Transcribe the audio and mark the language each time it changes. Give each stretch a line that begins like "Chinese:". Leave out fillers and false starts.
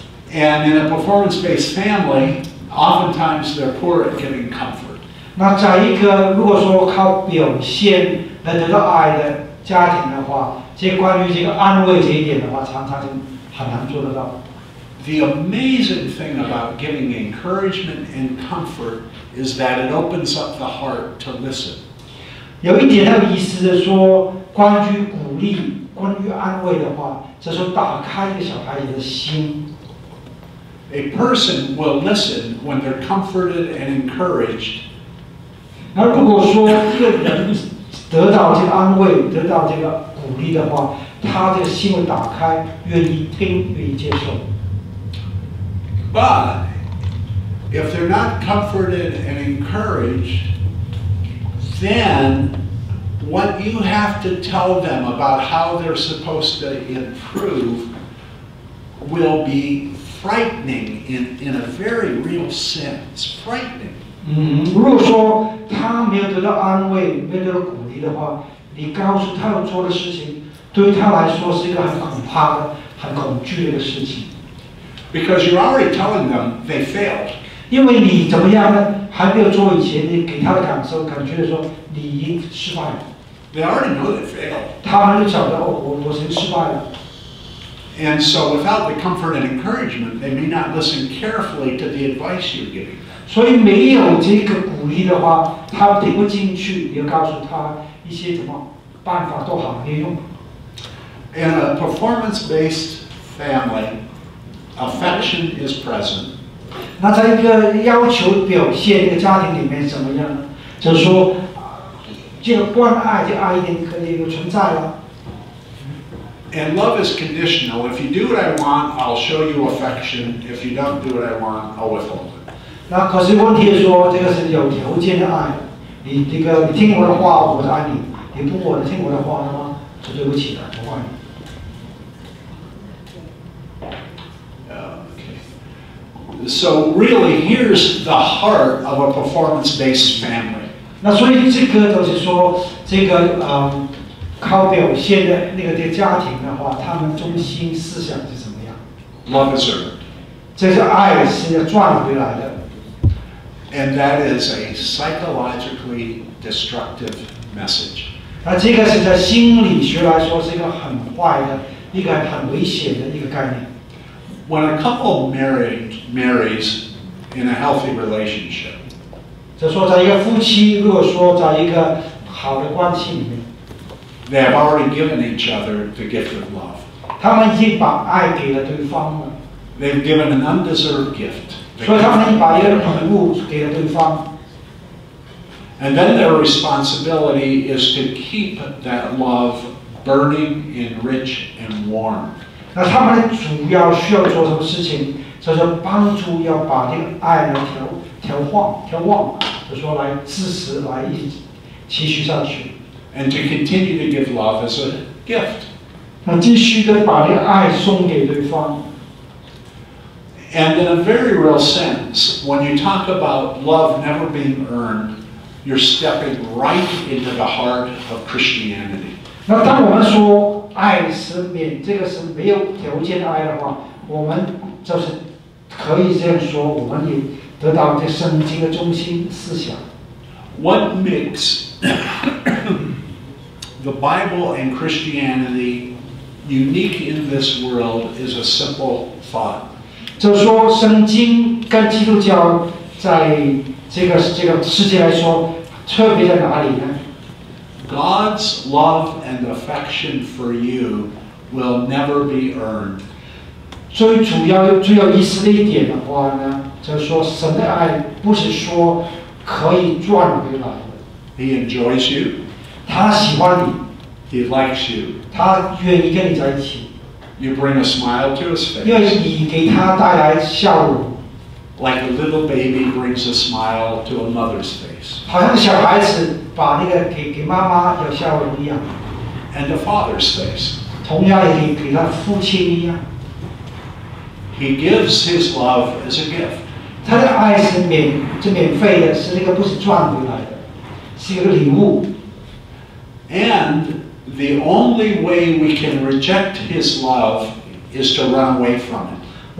English: And in a performance-based family, oftentimes they're poor at giving comfort.
Chinese: 那在一个如果说靠表现来得到爱的家庭的话，这关于这个安慰这一点的话，常常就很难做得到。
English: The amazing thing about giving encouragement and comfort is that it opens up the heart to listen.
Chinese: 有一点很有意思的说，关于鼓励，关于安慰的话，就是打开一个小孩子的心。
English: A person will listen when they're comforted and encouraged.
Chinese: 那如果说一个人得到这个安慰，得到这个鼓励的话，他的心会打开，愿意听，愿意接受。
English: But if they're not comforted and encouraged, then what you have to tell them about how they're supposed to improve will be frightening in a very real sense. Frightening.
Chinese: 如果说他没有得到安慰，没有得到鼓励的话，你告诉他要做的事情，对他来说是一个很可怕的、很恐惧的事情。
English: Because you're already telling them they failed.
Chinese: 因为你怎么样呢？还没有做以前，你给他的感受、感觉说你已经失败了。
English: They already know they failed.
Chinese: 他们就晓得我已经失败了。
English: And so without the comfort and encouragement, they may not listen carefully to the advice you're giving.
Chinese: 所以没有这个鼓励的话，他听不进去。你要告诉他一些什么办法都好没用。
English: In a performance-based family. Affection is present.
Chinese: 那在一个要求表现的家庭里面怎么样？就是说，这个关爱的爱一定可以存在了。
English: And love is conditional. If you do what I want, I'll show you affection. If you don't do what I want, I'll withhold it.
Chinese: 那可是问题是说，这个是有条件的爱。你这个你听我的话，我就爱你；你不我听我的话了吗？是对不起的，不爱你。
English: So really, here's the heart of a performance-based family.
Chinese: 那所以这个就是说，这个靠表现的那个的家庭的话，他们中心思想是怎么样
English: ？Love is earned.
Chinese: 这是爱是赚回来的。
English: And that is a psychologically destructive message.
Chinese: 那这个是在心理学来说是一个很坏的一个很危险的一个概念。
English: When a couple marries in a healthy relationship,
Chinese: 就说在一个夫妻如果说在一个好的关系里面
English: they have already given each other the gift of love.
Chinese: 他们已经把爱给了对方了
English: They've given an undeserved gift.
Chinese: 所以他们把一个礼物给了对方
English: And then their responsibility is to keep that love burning and rich and warm.
Chinese: 那他们主要需要做什么事情？就是帮助要把这个爱来调旺，就说来支持，来一直持续下去。
English: And to continue to give love as a gift.
Chinese: 那继续的把这个爱送给对方。
English: And in a very real sense, when you talk about love never being earned, you're stepping right into the heart of Christianity.
Chinese: 那当我们说爱是免，这个是没有条件的爱的话，我们就是可以这样说，我们也得到这圣经的中心思想。
English: What makes the Bible and Christianity unique in this world is a simple thought.
Chinese: 就说圣经跟基督教在这个世界来说，特别在哪里呢？
English: God's love and affection for you will never be earned.
Chinese: 最主要意思的一点的话呢，就是说神的爱不是说可以赚回来的。
English: He enjoys you.
Chinese: 他喜欢你。
English: He likes you.
Chinese: 他愿意跟你在一起。
English: You bring a smile to his face.
Chinese: 因为你给他带来笑容。
English: Like a little baby brings a smile to a mother's face.
Chinese: 好像小孩子把那个给妈妈有笑容一样。
English: And the father's face.
Chinese: 同样也给他父亲一样。
English: He gives his love as a gift.
Chinese: 他的爱是免费的，是那个不是赚回来的，是一个礼物。
English: And the only way we can reject his love is to run away from it.